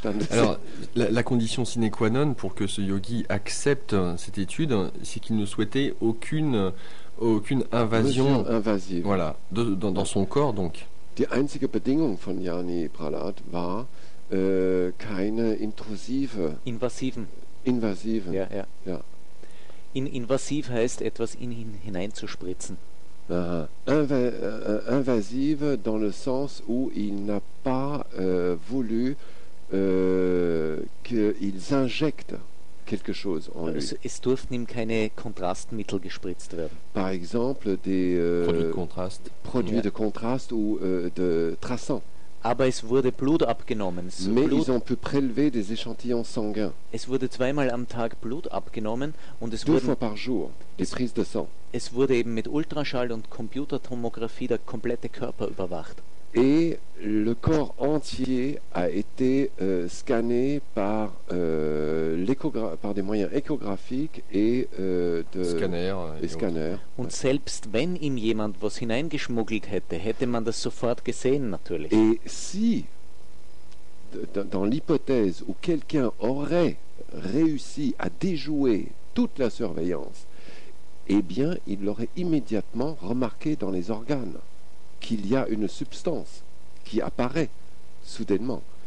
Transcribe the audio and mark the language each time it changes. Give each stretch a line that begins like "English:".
French: Alors, la condition sine qua non pour que ce yogi accepte cette étude, c'est qu'il ne souhaitait aucune invasion. Mesure invasive. Voilà, dans son corps donc.
German: Die einzige Bedingung von Jani Prahlad war keine intrusive. Invasiven. Ja, ja. Ja. Invasiv heißt, etwas in ihn hineinzuspritzen. Aha.
French: Invasive dans le sens où il n'a pas voulu qu'ils injectent quelque chose en lui.
German: Es durften ihm keine Kontrastmittel gespritzt werden.
French: Par exemple, des produits de contraste ou de traçant.
German: Aber es wurde Blut abgenommen.
French: Ils ont pu prélever des échantillons sanguins.
German: Es wurde zweimal am Tag Blut abgenommen und es
French: deux fois par jour, des prises de sang.
German: Es wurde eben mit Ultraschall und Computertomographie der komplette Körper überwacht.
French: Et le corps entier a été scanné par par des moyens échographiques et de scanner.
German: Und selbst wenn ihm jemand was hineingeschmuggelt hätte, hätte man das sofort gesehen natürlich.
French: Et si dans l'hypothèse où quelqu'un aurait réussi à déjouer toute la surveillance, eh bien, il l'aurait immédiatement remarqué dans les organes. Qu'il y a une substance qui apparaît soudainement.